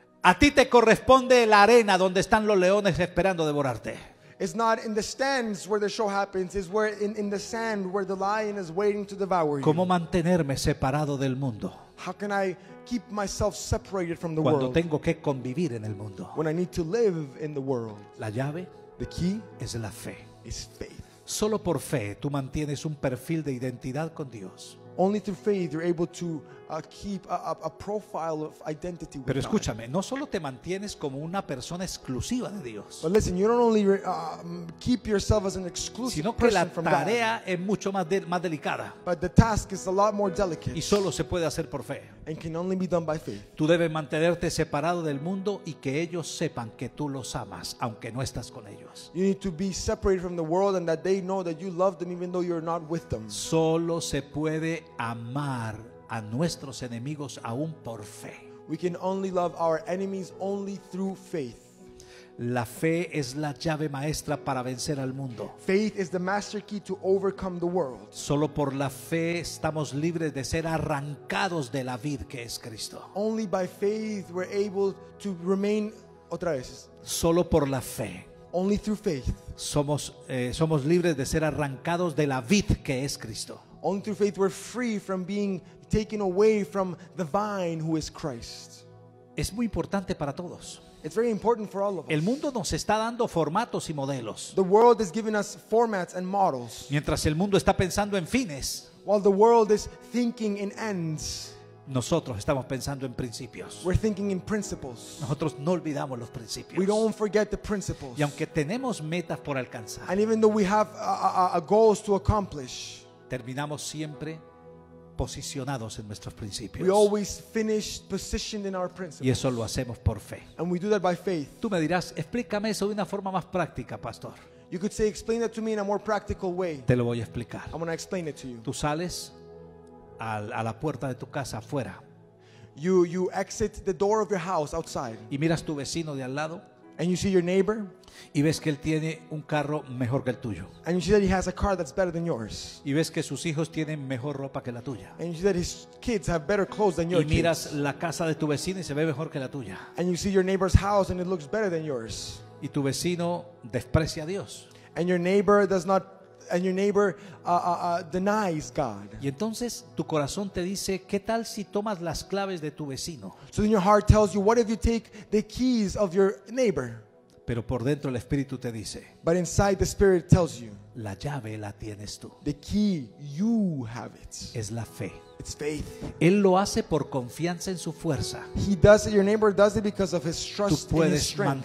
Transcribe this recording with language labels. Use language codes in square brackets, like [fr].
[es] A ti te corresponde la arena donde están los leones esperando devorarte. [en] It's not in the stands where the show happens, it's where in the sand where the lion is waiting to devour you. [es] ¿Cómo mantenerme separado del mundo? [en] How can I keep myself separated from the [es] cuando [en] world? [es] Tengo que convivir en el mundo. [en] When I need to live in the world. [es] La llave, [en] the key, [es] es la fe. [en] Is faith. [es] Solo por fe tú mantienes un perfil de identidad con Dios. [en] Only through faith you're able to keep a profile of identity with [es] God. Pero escúchame, no solo te mantienes como una persona exclusiva de Dios. [en] But listen, you don't only keep yourself as an exclusive person from [es] God. Sino que la tarea es mucho más delicada. [en] But the task is a lot more delicate. [es] Y solo se puede hacer por fe. [en] And can only be done by faith. [es] Tú debes mantenerte separado del mundo y que ellos sepan que tú los amas, aunque no estás con ellos. [en] You need to be separated from the world and that they know that you love them even though you're not with them. [es] Solo se puede amar a nuestros enemigos aún por fe. [en] We can only love our enemies only through faith. [es] La fe es la llave maestra para vencer al mundo. [en] Faith is the master key to overcome the world. [es] Solo por la fe estamos libres de ser arrancados de la vid que es Cristo. [en] Only by faith we're able to remain [es] otra vez. Solo por la fe. [en] Only through faith. [es] Somos libres de ser arrancados de la vid que es Cristo. [en] Only through faith we're free from being taken away from the vine who is Christ. [es] Es muy importante para todos. [en] It's very important for all of us. [es] El mundo nos está dando formatos y modelos. [en] The world is giving us formats and models. [es] Mientras el mundo está pensando en fines, [en] while the world is thinking in ends, [es] nosotros estamos pensando en principios. [en] We're thinking in principles. [es] Nosotros no olvidamos los principios. [en] We don't forget the principles. [es] Y aunque tenemos metas por alcanzar, [en] and even though we have goals to accomplish, [es] terminamos siempre posicionados en nuestros principios. [en] We always finish positioned in our principles. [es] Y eso lo hacemos por fe. [en] And we do that by faith. [es] Tú me dirás, explícame eso de una forma más práctica, pastor. [en] You could say, explain that to me in a more practical way. [es] Te lo voy a explicar. [en] I'm going to explain it to you. [es] Tú sales a la puerta de tu casa afuera. [en] You exit the door of your house outside. [es] Y miras tu vecino de al lado. [en] And you see your neighbor. [es] Y ves que él tiene un carro mejor que el tuyo. [en] And you see that he has a car that's better than yours. [es] Y ves que sus hijos tienen mejor ropa que la tuya. [en] And you see that his kids have better clothes than your kids. [es] Y miras la casa de tu vecino y se ve mejor que la tuya. [en] And you see your neighbor's house and it looks better than yours. [es] Y tu vecino desprecia a Dios. [en] And your neighbor does not. And your neighbor denies God. [es] Y entonces tu corazón te dice, ¿qué tal si tomas las claves de tu vecino? [en] So then your heart tells you, what if you take the keys of your neighbor? [es] Pero por dentro el espíritu te dice, [en] but inside the spirit tells you, [es] la llave la tienes tú. [en] The key, you have it. [es] Es la fe. [en] It's faith. [es] Él lo hace por confianza en su fuerza. [en] He does it, your neighbor does it because of his trust in his strength.